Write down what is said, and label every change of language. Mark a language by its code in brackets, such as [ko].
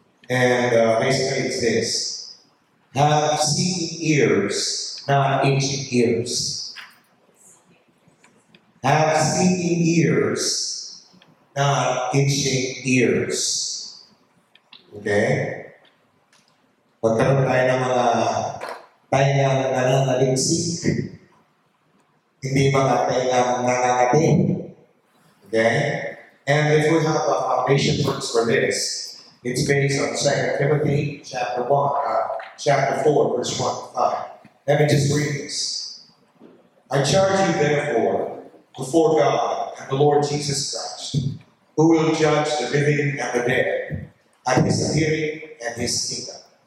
[en] And basically, it's this: have seeing ears, not itching ears. Have seeing ears, not itching ears. Okay? [tl] Pagkaroon tayo ng mga tainga na nananaliksik, hindi mga tainga nangangating. [en] Okay? And if we have a foundation verse for this, it's based on 2 Timothy chapter 1, chapter 4, verse 1 to 5. Let me just read this. I charge you therefore before God and the Lord Jesus Christ, who will judge the living and the dead at his appearing and his kingdom.